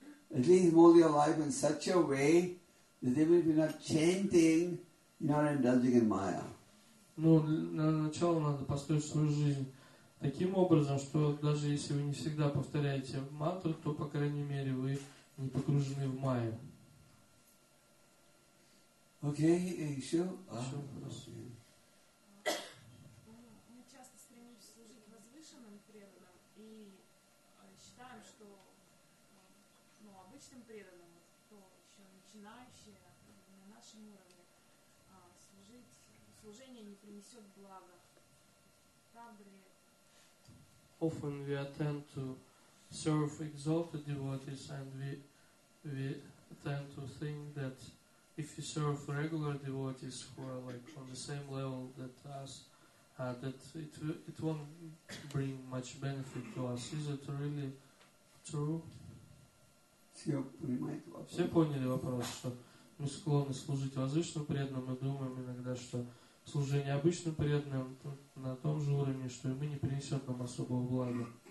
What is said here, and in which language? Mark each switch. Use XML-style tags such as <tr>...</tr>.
<en>At least mold your life in such a way that even if you're not chanting, you're not indulging in Maya.</en> <ru>Ну, для начала надо построить свою жизнь таким образом, что даже если вы не всегда повторяете мантру, то, по крайней мере, вы не погружены в Майю. Окей, еще вопрос. Мы часто стремимся служить возвышенным преданным и считаем, что ну, обычным преданным, кто еще начинающий на нашем уровне, служение не принесет блага. Правда ли это?</ru> <en>Often we attempt to serve exalted devotees and we tend to think that if you serve regular devotees who are like on the same level that us, that it won't bring much benefit to us. Is it really true?</en> <ru>Все поняли вопрос, что мы склонны служить возвышенным преданным, мы думаем иногда, что служение обычным преданным на том же уровне, что и мы, не принесет нам особого блага.</ru>